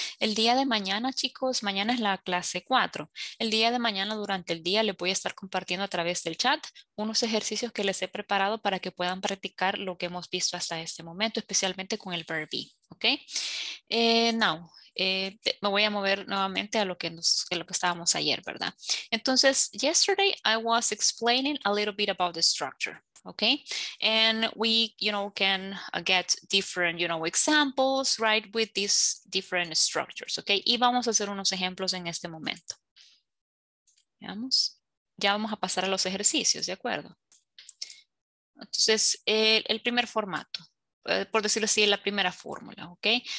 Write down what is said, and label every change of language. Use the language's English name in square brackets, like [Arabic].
[Spanish] El día de mañana, chicos, mañana es la clase 4. El día de mañana durante el día les voy a estar compartiendo a través del chat unos ejercicios que les he preparado para que puedan practicar lo que hemos visto hasta este momento, especialmente con el verb be, ¿ok? Me voy a mover nuevamente a lo que estábamos ayer, ¿verdad? [English] Entonces, yesterday I was explaining a little bit about the structure. Okay, and we, you know, can get different, you know, examples, right, with these different structures. [Spanish] Okay, y vamos a hacer unos ejemplos en este momento. Veamos, ya vamos a pasar a los ejercicios, ¿de acuerdo? Entonces, el primer formato, por decirlo así, la primera fórmula, okay?